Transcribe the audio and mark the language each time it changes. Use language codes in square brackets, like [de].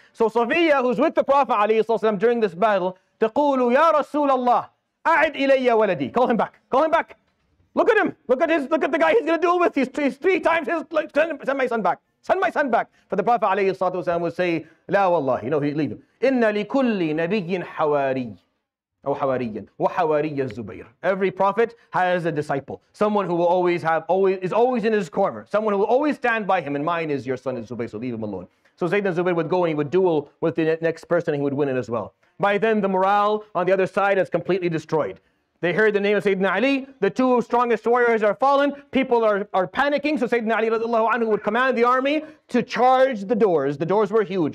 [en] So Safiyyah, who's with the Prophet alayhi salatu wasalam during this battle, [ar] تقول يا رسول الله أعد إلي ولدي. [en] Call him back. Look at him. Look at the guy he's going to duel with. He's three times his. Like, send my son back. For the Prophet عليه الصلاة والسلام would say, [ar] لا والله. [en] You know, he'd leave him. [ar] إن لكل نبي حواري. أو حواريًا وحواري الزبير. [en] Every prophet has a disciple, someone who will always have always is always in his corner, someone who will always stand by him. And mine is your son is Zubayr, so leave him alone. So Zaydan Zubayr would go and he would duel with the next person, and he would win it as well. By then, the morale on the other side is completely destroyed. They heard the name of Sayyidina Ali, the two strongest warriors are fallen, people are panicking, so Sayyidina Ali radiallahu anhu would command the army to charge the doors. The doors were huge.